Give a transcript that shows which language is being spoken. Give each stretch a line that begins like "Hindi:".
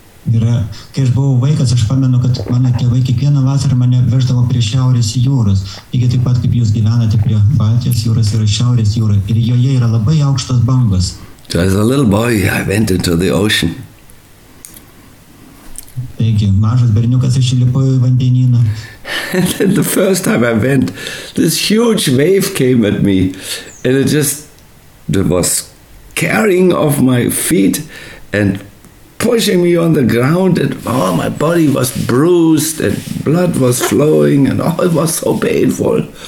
Lithuanian: Yra, kai aš buvau vaikas, aš pamenu, kad mano tėvai kiekvieną vasarą mane veždavo prie Šiaurės jūros. Lygiai taip pat, kaip jūs gyvenate prie Baltijos jūros ir Šiaurės jūros. Ir joje yra labai aukštos bangos.
English: So as a little boy, I went into the ocean.
Lithuanian: Taigi, mažas berniukas, aš įlipojau į vandenyną.
English: And then the first time I went, this huge wave came at me. And it just was carrying off my feet and pushing me on the ground, and oh, my body was bruised and blood was flowing and all, it was so painful.